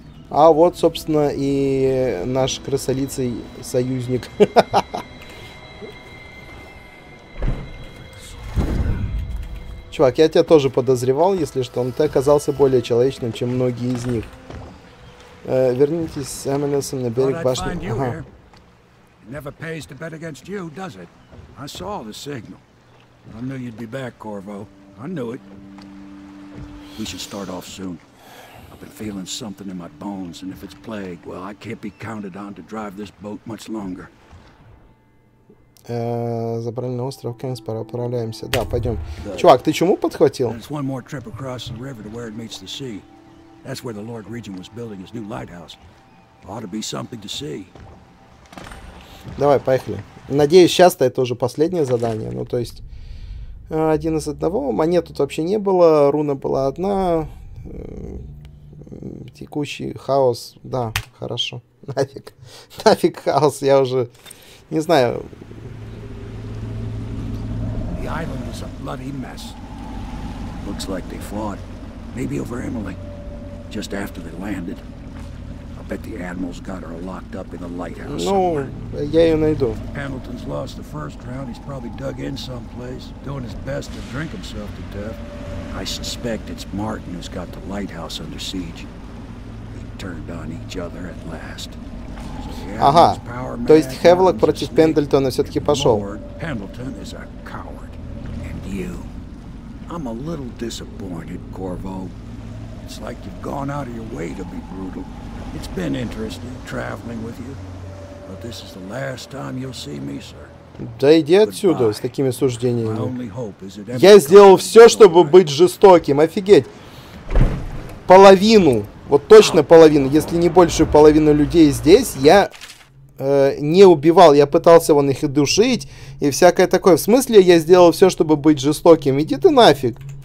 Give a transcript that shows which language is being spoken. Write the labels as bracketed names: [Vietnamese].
[Russian] А вот, собственно, и наш красолицый союзник. Чувак, я тебя тоже подозревал, если что, но ты оказался более человечным, чем многие из них. Вернитесь с Эмилисом на берег башни. Ага. [English] Never pays to bet against you, does it? I saw the signal. I knew you'd be back, Corvo. I knew it. We should start off soon. I've been feeling something in my bones, and if it's plague, well, I can't be counted on to drive this boat much longer. [Russian] Забрали на остров Кенс, пора отправляемся. Да, пойдем. Чувак, ты чему подхватил? [English] It's one more trip across the river to where it meets the sea. That's where the Lord Regent was building his new lighthouse. Ought to be something to see. [Russian] Давай, поехали. Надеюсь, сейчас-то это уже последнее задание. Ну, то есть, один из одного. Монет тут вообще не было, руна была одна. Текущий хаос, да, хорошо, нафиг, нафиг хаос, я уже не знаю. [English] The island is a bloody mess. Looks like they fought, maybe over Emily, just after they landed. I bet the admiral's got her locked up in the lighthouse somewhere. [Russian] Ну, я ее найду. [English] Hamilton's lost the first round, he's probably dug in someplace, doing his best to drink himself to death. I suspect it's Martin who's got the lighthouse under siege. Turned on each other at last. [Russian] Ага, то есть Хевлок против Пендельтона все-таки пошел. [English] Пендельтон is a coward. And you. I'm a little disappointed, Corvo. It's like you've gone out of your way to be brutal. It's been interesting traveling with you. But this is the last time you'll see me, sir. [Russian] Да иди отсюда с такими суждениями. Я сделал все, чтобы быть жестоким. Офигеть. Половину. Вот точно половину, если не большую половину людей здесь, я не убивал. Я пытался вон их и душить, и всякое такое. В смысле, я сделал все, чтобы быть жестоким? Иди ты нафиг.